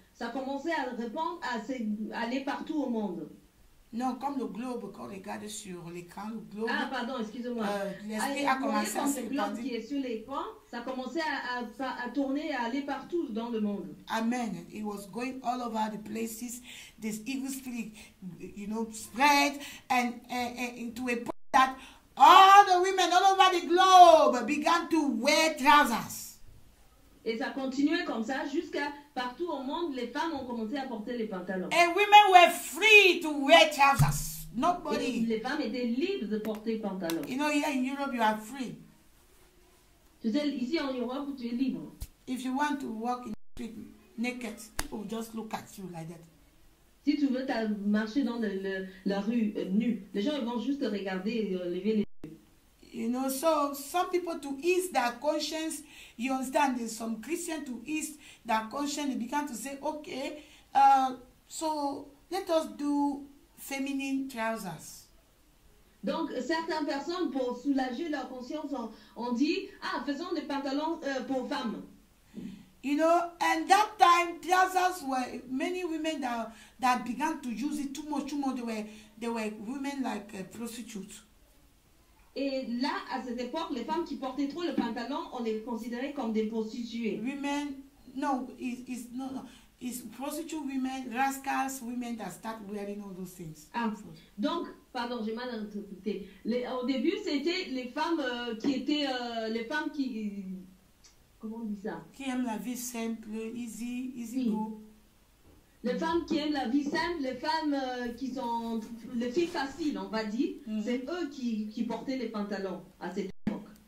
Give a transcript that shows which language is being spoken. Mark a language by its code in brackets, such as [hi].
[fr] Ça commençait à répandre, à aller partout au monde. Non, comme le globe, quand on regarde sur l'écran, le globe. Ah, pardon, excusez-moi. L'esprit a commencé à se répandre. Le globe qui est sur l'écran, ça commençait à tourner, à aller partout dans le monde. [en] Amen. It was going all over the places. This evil spirit, you know, spread and into a point that all the women all over the globe began to wear trousers. [fr] Et ça continuait comme ça jusqu'à partout au monde, les femmes ont commencé à porter les pantalons. [en] And women were free to wear trousers. Nobody. [fr] Et les femmes étaient libres de porter les pantalons. [en] You know, here in Europe, you are free. [fr] Tu sais, ici en Europe, tu es libre. [en] If you want to walk in the street naked, people will just look at you like that. [fr] Si tu veux marcher dans la rue nue, les gens vont juste regarder et lever les. [en] You know, so some people to ease their conscience, you understand, there's some Christian to ease their conscience, they began to say, okay, so let us do feminine trousers. [fr] Donc, certaines personnes, pour soulager leur conscience, ont dit, ah, faisons des pantalons pour femmes. [en] You know, and that time, trousers were, many women that began to use it too much, they were women like prostitutes. [fr] Et là, à cette époque, les femmes qui portaient trop le pantalon, on les considérait comme des prostituées. [en] Women, no, it's prostitute women, rascals women that start wearing all those things. [fr] Ah, donc, pardon, j'ai mal interprété. Au début, c'était les femmes qui étaient les femmes qui comment on dit ça? Qui aiment la vie simple, [en] easy go. [fr] Les femmes qui aiment la vie simple, les femmes qui sont les filles faciles, on va dire, c'est eux qui portaient les pantalons à cette époque.